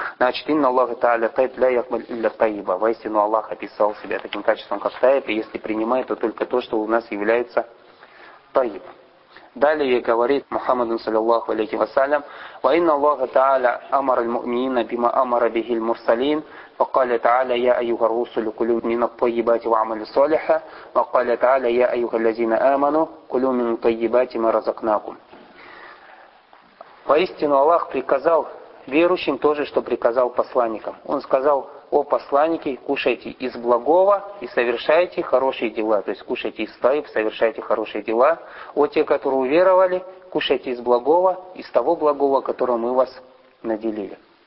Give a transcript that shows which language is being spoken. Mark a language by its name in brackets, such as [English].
[Russian] Значит, инна Аллаха тааля тайб ля якбаль илля тайба. Воистину Аллах описал себя таким качеством, как тайб, и если принимает, то только то, что у нас является тайб. [Arabic] Далее говорит Мухаммад саллиллаху алейхи вассалям: «Ва инна Аллаха тааля амар аль-му'мина бима амара бихил мурсалин». وقال تعالى يا أيها الرسل كلوا من الطيبات وعملوا صالحا وقال تعالى يا أيها الذين آمنوا كلوا من الطيبات ما رزقناكم. [Russian] Воистину Аллах приказал верующим то же, что приказал посланникам. Он сказал: о посланники, кушайте из благого и совершайте хорошие дела. То есть кушайте из таиб, совершайте хорошие дела. О те, которые уверовали, кушайте из благого, из того благого, которое мы вас наделили.